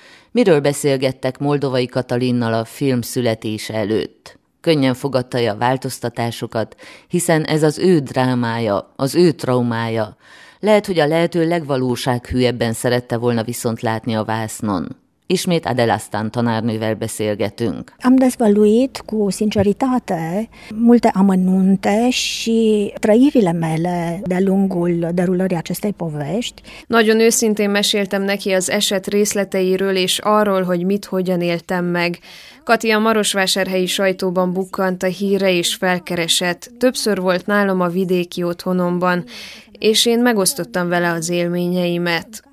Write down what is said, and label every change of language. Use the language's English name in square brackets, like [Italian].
[Hungarian] Miről beszélgettek Moldovai Katalinnal a film születése előtt? Könnyen fogadta-e a változtatásokat, hiszen ez az ő drámája, az ő traumája. Lehet, hogy a lehető legvalósághűebben szerette volna viszont látni a vásznon. Ismét Adele Astán tanárnővel beszélgetünk. [Romanian] Am dezvăluit cu sinceritate multe amănunte și trăirile mele de-a lungul derulării acestei povești. [Hungarian] Nagyon őszintén meséltem neki az eset részleteiről és arról, hogy mit hogyan éltem meg. Kati a marosvásárhelyi sajtóban bukkant a híre és felkeresett. Többször volt nálam a vidéki otthonomban, és én megosztottam vele az élményeimet.